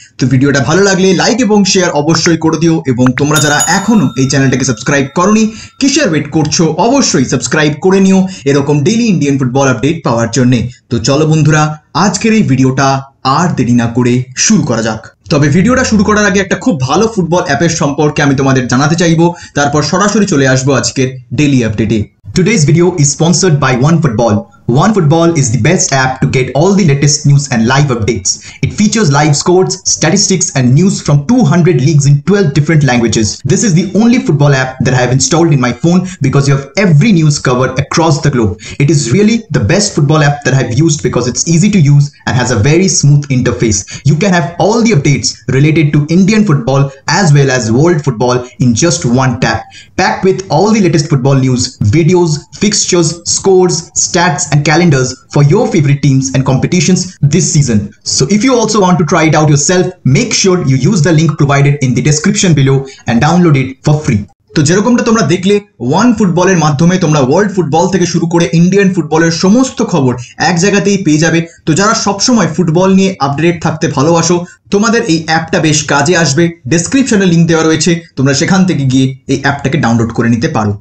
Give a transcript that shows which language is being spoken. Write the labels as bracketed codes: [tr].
[bn] তো ভিডিওটা ভালো লাগলে লাইক এবং শেয়ার অবশ্যই করে দিও, এবং তোমরা যারা এখনো এই চ্যানেলটাকে সাবস্ক্রাইব করনি, কিসের ওয়েট করছো, অবশ্যই সাবস্ক্রাইব করে নিও এরকম ডেইলি ইন্ডিয়ান ফুটবল আপডেট পাওয়ার জন্য। তো চলো বন্ধুরা, আজকের এই ভিডিওটা আর দেরি না করে শুরু করা যাক। তবে ভিডিওটা শুরু করার আগে একটা খুব ভালো ফুটবল অ্যাপের সম্পর্কে আমি তোমাদের জানাতে চাইবো, তারপর সরাসরি চলে আসবো আজকের ডেইলি আপডেটে। [en] Today's video is sponsored by OneFootball. OneFootball is the best app to get all the latest news and live updates. It features live scores, statistics and news from 200 leagues in 12 different languages. This is the only football app that I have installed in my phone because you have every news covered across the globe. It is really the best football app that I have used because it's easy to use and has a very smooth interface. You can have all the updates related to Indian football as well as world football in just one tap. Packed with all the latest football news, videos, fixtures, scores, stats and calendars for your favorite teams and competitions this season. So if you also want to try it out yourself, make sure you use the link provided in the description below and download it for free. [bn] তো যেরকমটা তোমরা দেখলে, one ফুটবলের মাধ্যমে তোমরা world football থেকে শুরু করে ইন্ডিয়ান ফুটবলের সমস্ত খবর এক জায়গাতেই পেয়ে যাবে। তো যারা সবসময় ফুটবল নিয়ে আপডেটেড থাকতে ভালোবাসো, তোমাদের এই অ্যাপটা বেশ কাজে আসবে। ডেসক্রিপশনে লিংক দেওয়া রয়েছে, তোমরা সেখান থেকে গিয়ে এই অ্যাপটাকে ডাউনলোড করে নিতে পারো।